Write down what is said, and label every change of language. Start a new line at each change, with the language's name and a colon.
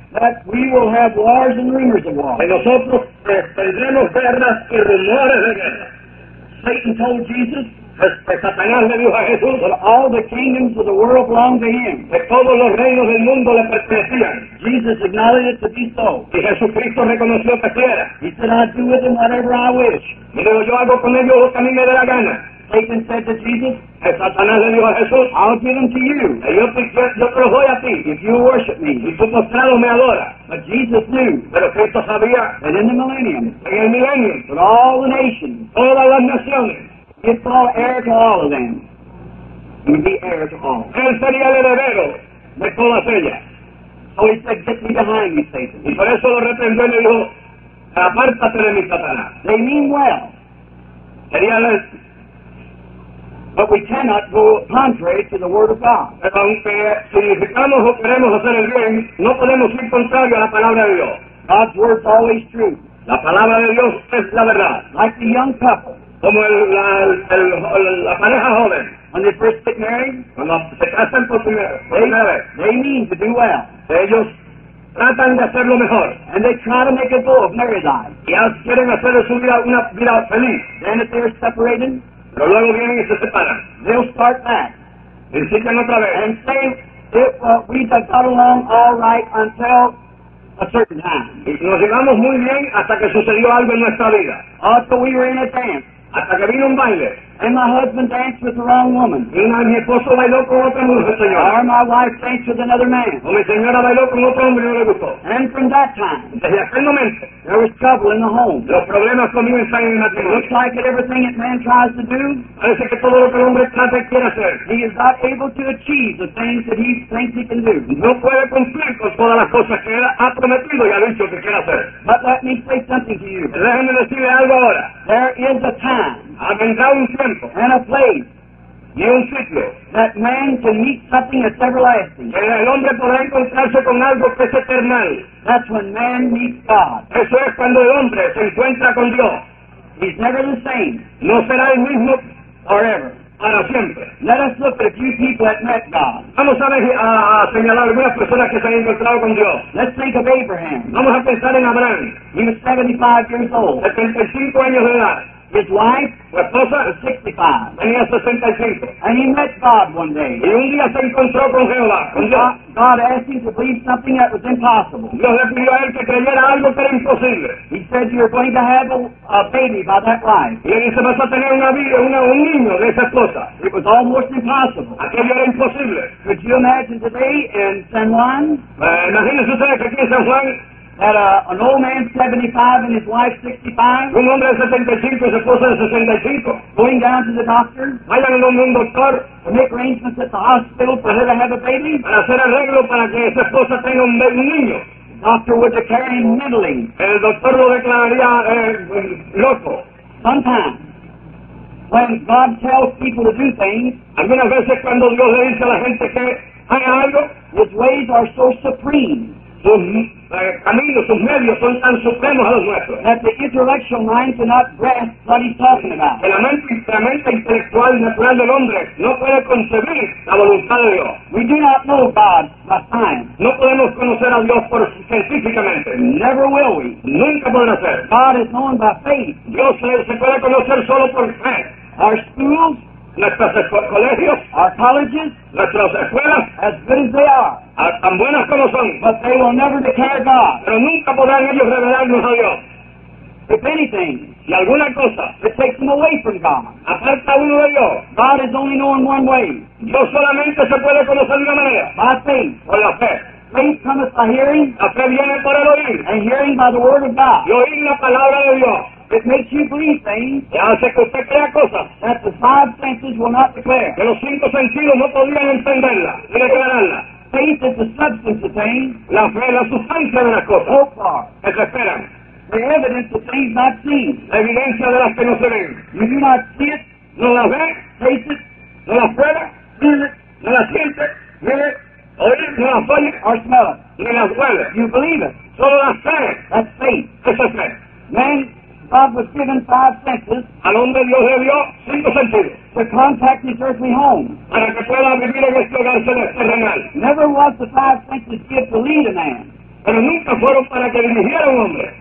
English: that we will have wars and rumors of wars.
Spanish: Que nosotros tendremos guerras y rumores de guerra.
English: Satan told Jesus,
Spanish: Satanás le dijo a Jesús,
English: that all the kingdoms of the world belong to him.
Spanish: Que todos los reinos del mundo le pertenecían.
English: Jesus acknowledged it to be so.
Spanish: Y Jesucristo reconoció que así era.
English: He said, I'll do with them whatever I wish.
Spanish: Y luego yo hago con ellos lo que a mí me dé la gana.
English: Satan said to Jesus,
Spanish: Satanás le dijo a Jesús,
English: I'll give them to you.
Spanish: Yo te los doy a ti.
English: If you worship me.
Spanish: Y tu postrado me adora.
English: But Jesus knew.
Spanish: Pero Cristo sabía.
English: That in the millennium.
Spanish: En el milenio.
English: That all the nations.
Spanish: Todas las naciones.
English: It's all heir to all of them. He's the heir to all.
Spanish: Él sería el heredero de todas ellas.
English: So he said, get me behind me, Satan.
Spanish: Y por eso lo reprendió y le dijo, apártate de mi Satanás.
English: They mean well.
Spanish: Sería el...
English: But we cannot go contrary to the word of God.
Spanish: Pero aunque significamos o queremos hacer el bien, no podemos ir contrario a la palabra de Dios.
English: God's word is always true.
Spanish: La palabra de Dios es la verdad.
English: Like the young couple.
Spanish: Como la pareja joven.
English: When they first get married,
Spanish: cuando se casan por primera vez,
English: they mean to do well.
Spanish: Ellos tratan de hacer lo mejor.
English: And they try to make a goal of married life.
Spanish: Y quieren hacer de su vida una vida feliz.
English: Then if they're separated,
Spanish: pero luego vienen y se separan.
English: They'll start back.
Spanish: Insisten otra vez.
English: And say, we have got along all right until a certain time.
Spanish: Y nos llevamos muy bien hasta que sucedió algo en nuestra vida.
English: Until we were in a dance.
Spanish: Hasta que vino un baile.
English: And my husband danced with the wrong woman.
Spanish: Y mi esposo bailó con otra mujer, señora.
English: Or my wife danced with another man.
Spanish: O mi señora bailó con otro hombre y no le gustó.
English: And from that time,
Spanish: desde aquel momento,
English: there was trouble in the home.
Spanish: Los problemas comienzan en el matrimonio.
English: Looks like that everything that man tries to do,
Spanish: parece que todo lo que el hombre trata quiere hacer,
English: he is not able to achieve the things that he thinks he can do.
Spanish: No puede cumplir con todas las cosas que él ha prometido y ha dicho que quiere hacer.
English: But let me say something to you.
Spanish: Déjeme decirle algo ahora.
English: There is a time.
Spanish: Vendrá un tiempo.
English: And a place.
Spanish: Y un sitio.
English: That man can meet something that's everlasting.
Spanish: Que el hombre podrá encontrarse con algo que es eternal.
English: That's when man meets God.
Spanish: Eso es cuando el hombre se encuentra con Dios.
English: He's never the same.
Spanish: No será el mismo.
English: Forever.
Spanish: Para siempre.
English: Let us look at a few people that met God.
Spanish: Vamos a ver a señalar algunas personas que se han encontrado con Dios.
English: Let's think of Abraham.
Spanish: Vamos a pensar en Abraham.
English: He was 75 years old.
Spanish: 75 años de edad.
English: His wife,
Spanish: su esposa,
English: was 65.
Spanish: Tenía 65.
English: And he met God one day.
Spanish: Y un día se encontró con Jehová.
English: God asked him to believe something that was impossible.
Spanish: Dios le pidió a él que creyera algo que era imposible.
English: He said, "You're going to have a baby by that wife."
Spanish: Y él dice, vas a tener una vida, un niño de esa esposa.
English: It was almost impossible.
Spanish: Aquello era imposible.
English: Could you imagine today in San Juan?
Spanish: Imagínese usted que aquí en San Juan.
English: That an old man 75 and his wife 65.
Spanish: Un hombre de 75 y su esposa de 65.
English: Going down to the doctor.
Spanish: Vayan a un doctor.
English: To make arrangements at the hospital for her to have a baby.
Spanish: Para hacer arreglo para que su esposa tenga un niño.
English: The doctor would declare him mentally.
Spanish: El doctor lo declararía loco.
English: Sometimes, when God tells people to do things.
Spanish: Algunas veces cuando Dios le dice a la gente que haga algo.
English: His ways are so supreme.
Spanish: Caminos, sus medios son tan supremos a los nuestros.
English: That the intellectual mind cannot grasp what he's talking about.
Spanish: Que la mente intelectual natural del hombre no puede concebir la voluntad de Dios.
English: We do not know God by science.
Spanish: No podemos conocer a Dios por científicamente.
English: Never will we.
Spanish: Nunca podrá ser.
English: God is known by faith.
Spanish: Dios se puede conocer solo por fe.
English: Our schools,
Spanish: nuestros colegios,
English: our colleges,
Spanish: nuestras escuelas,
English: as good as they are.
Spanish: Tan buenas como son.
English: But they will never declare God.
Spanish: Pero nunca podrán ellos revelarnos a Dios.
English: If anything,
Spanish: si alguna cosa,
English: it takes them away from God.
Spanish: Aparta uno de Dios.
English: God is only known one way.
Spanish: Dios solamente se puede conocer de una manera.
English: By faith.
Spanish: Por la fe.
English: Faith cometh by hearing.
Spanish: La fe viene por el oír.
English: And hearing by the word of God.
Spanish: Y oír la palabra de Dios.
English: It makes you believe things.
Spanish: Y hace que usted crea cosas.
English: That the five senses will not declare.
Spanish: Que los cinco sentidos no podrían entenderla ni declararla.
English: Faith is the substance of things.
Spanish: La fe es la sustancia de las cosas.
English: Hope for.
Spanish: Que se esperan.
English: The evidence of things not seen.
Spanish: La evidencia de las que no se ven.
English: You do not see it.
Spanish: No la ve.
English: Taste it.
Spanish: No la prueba.
English: Feel it.
Spanish: No la siente.
English: Hear it.
Spanish: Oír. No la oye.
English: Or smell it.
Spanish: Ni la huele.
English: You believe it.
Spanish: Solo la fe.
English: That's faith.
Spanish: Esa es fe.
English: Man, God was given five senses.
Spanish: Al hombre Dios le dio cinco sentidos.
English: To contact his earthly home.
Spanish: Para que pueda vivir en este hogar celeste terrenal.
English: Never was the five senses given to lead a man.
Spanish: Pero nunca fueron para que dirigiera un hombre.